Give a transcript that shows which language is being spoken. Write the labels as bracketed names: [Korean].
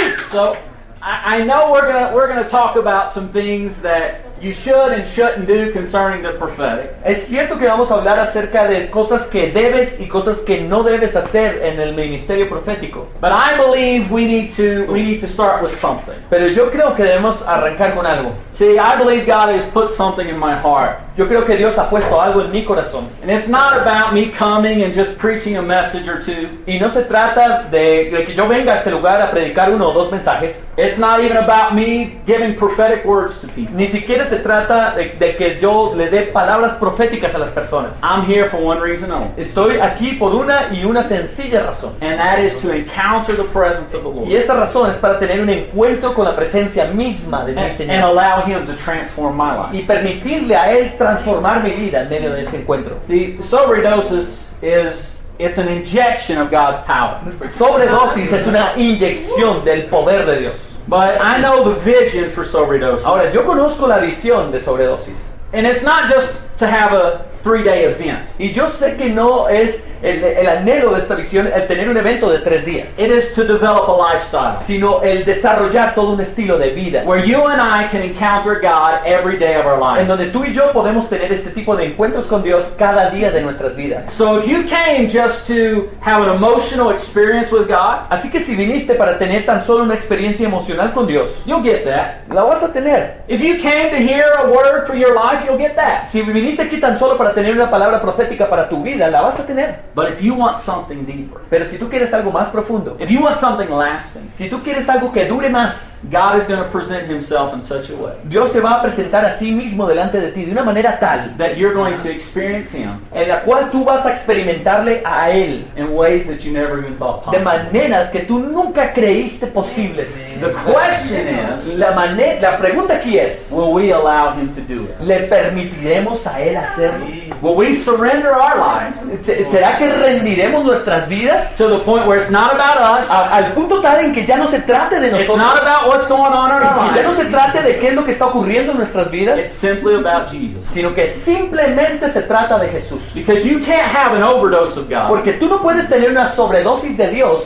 [English] So I know we're gonna talk about some things that you should and shouldn't do concerning the prophetic. [Spanish] Es cierto que vamos a hablar acerca de cosas que debes y cosas que no debes hacer en el ministerio profético. [English] But I believe we need to start with something. [Spanish] Pero yo creo que debemos arrancar con algo. [English] See, I believe God has put something in my heart. [Spanish] Yo creo que Dios ha puesto algo en mi corazón. [English] And it's not about me coming and just preaching a message or two. [Spanish] Y no se trata de que yo venga a este lugar a predicar uno o dos mensajes. [English] It's not even about me giving prophetic words to people. [Spanish] Ni siquiera se trata de que yo le dé palabras proféticas a las personas. [English] I'm here for one reason only. [Spanish] Estoy aquí por una y una sencilla razón. [English] And that is to encounter the presence of the Lord. [Spanish] Y esa razón es para tener un encuentro con la presencia misma de mi Señor. [English] And allow him to transform my life. [Spanish] Y permitirle a él transformar mi vida en medio de este encuentro. [English] The sobredosis is it's an injection of God's power. [Spanish] Sobredosis es una inyección del poder de Dios. [English] But I know the vision for sobredosis. [Spanish] Ahora yo conozco la visión de sobredosis. [English] And it's not just to have a 3-day event. [Spanish] Y yo sé que no es el anhelo de esta visión el tener un evento de 3 días. [English] It is to develop a lifestyle. [Spanish] Sino el desarrollar todo un estilo de vida. [English] Where you and I can encounter God every day of our life. [Spanish] En donde tú y yo podemos tener este tipo de encuentros con Dios cada día de nuestras vidas. [English] So if you came just to have an emotional experience with God. [Spanish] Así que si viniste para tener tan solo una experiencia emocional con Dios. [English] You'll get that. [Spanish] La vas a tener. [English] If you came to hear a word for your life, you'll get that. [Spanish] Si viniste aquí tan solo para tener una palabra profética para tu vida, la vas a tener. [English] But if you want something deeper, [Spanish] pero si tú quieres algo más profundo, [English] if you want something lasting, [Spanish] si tú quieres algo que dure más, [English] God is going to present himself in such a way. [Spanish] Dios se va a presentar a sí mismo delante de ti de una manera tal [English] that you're going to experience him, [Spanish] en la cual tú vas a experimentarle a él [English] in ways that you never even thought possible. [Spanish] De maneras que tú nunca creíste posibles. [English] The question is, [Spanish] la pregunta aquí es, [English] will we allow him to do it? [Spanish] ¿Le permitiremos a él hacerlo? [English] Will we surrender our lives? [Spanish] ¿Será que rendiremos nuestras vidas? [English] To the point where it's not about us. [Spanish] Al punto tal en que ya no se trate de nosotros. [English] It's not about what's going on in our lives. [Spanish] Ya no se trate de qué es lo que está ocurriendo en nuestras vidas. [English] It's simply about Jesus. [Spanish] Sino que simplemente se trata de Jesús. [English] Because you can't have an overdose of God. [Spanish] Porque tú no puedes tener una sobredosis de Dios.